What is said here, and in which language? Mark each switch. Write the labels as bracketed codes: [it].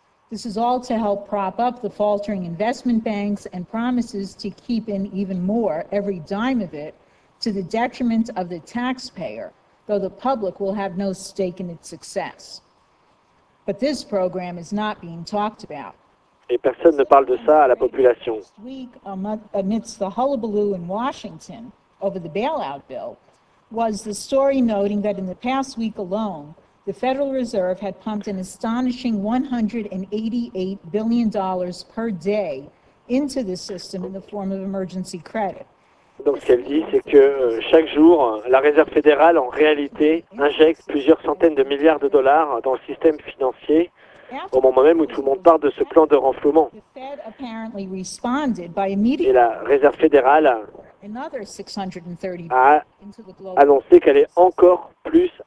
[en] This is all to help prop up the faltering investment banks and promises to keep in even more, every dime of it, to the detriment of the taxpayer, though the public will have no stake in its success. But this program is not being talked about. [fr] Et personne ne parle de ça à la population. [en] Amidst the hullabaloo in Washington over the bailout bill was the story noting that in the past week alone, the Federal Reserve had pumped an astonishing $188 billion per day into the system in the form of emergency credit. [fr] Donc ce qu'elle dit, c'est que chaque jour, la Réserve fédérale, en réalité, injecte plusieurs centaines de milliards de dollars dans le système financier au moment même où tout le monde parle de ce plan de renflouement. Et la Réserve fédérale a annoncé qu'elle est encore plus